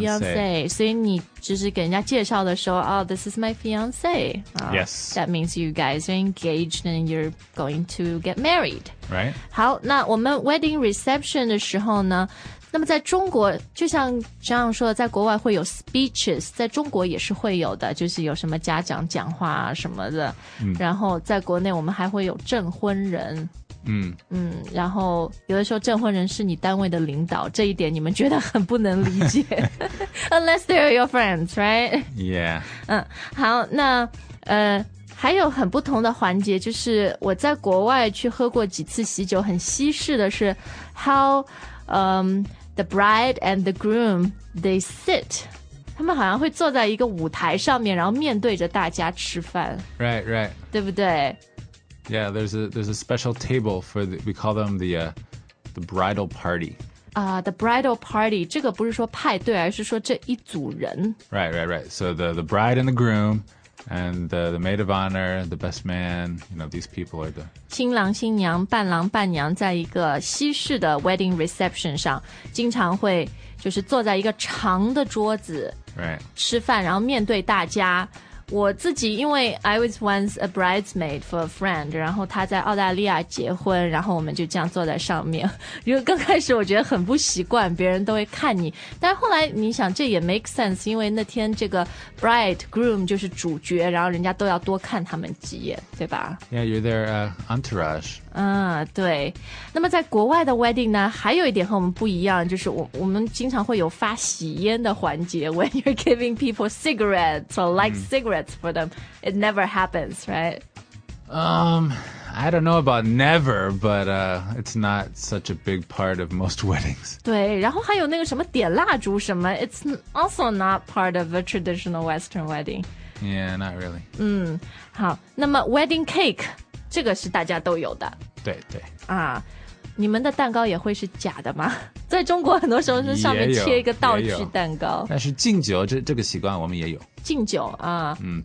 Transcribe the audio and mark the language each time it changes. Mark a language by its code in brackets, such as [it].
[zh] Fiance, 所以你就是给人家介绍的时候, [en] oh, this is my fiance. Yes. That means you guys are engaged and you're going to get married. Right. [zh] 好, 那我们 wedding reception 的时候呢,那么在中国就像这样说的，在国外会有 speeches， 在中国也是会有的，就是有什么家长讲话啊什么的、嗯、然后在国内我们还会有证婚人，嗯嗯，然后有的时候证婚人是你单位的领导，这一点你们觉得很不能理解 [en] unless they're your friends right yeah [zh] 嗯，好，那还有很不同的环节，就是我在国外去喝过几次喜酒，很西式的是 [en] how the bride and the groom they sit， [zh] 他们好像会坐在一个舞台上面，然后面对着大家吃饭。 [en] Right, right， [zh] 对不对？ [en] Yeah, there's a special table for the, we call them the bridal party。 [zh] The bridal party， 这个不是说派对，而是说这一组人。 [en] Right, right, right. So the bride and the groom. And the maid of honor, the best man, you know, these people are the... [zh] 新郎新娘伴郎伴娘在一个西式的 wedding reception 上经常会就是坐在一个长的桌子、 [en] right. [zh] 吃饭，然后面对大家。我自己因为 [en] I was once a bridesmaid for a friend， [zh] 然后他在澳大利亚结婚，然后我们就这样坐在上面。因为刚开始我觉得很不习惯，别人都会看你，但后来你想这也 [en] make sense， [zh] 因为那天这个 bride groom 就是主角，然后人家都要多看他们几眼，对吧？ [en] Yeah， you're their entourage。 [zh] 对。那么在国外的 wedding 呢，还有一点和我们不一样，就是我们经常会有发喜烟的环节。 [en] When you're giving people cigarettes or like cigarettes for them, it never happens, right? I don't know about never, but it's not such a big part of most weddings. [zh] 对，然后还有那个什么点蜡烛什么， [en] it's also not part of a traditional Western wedding. Yeah, not really. [zh] 好，那么 wedding cake这个是大家都有的，对对啊，你们的蛋糕也会是假的吗？在中国很多时候是上面切一个道具蛋糕，但是敬酒这个习惯我们也有，敬酒啊，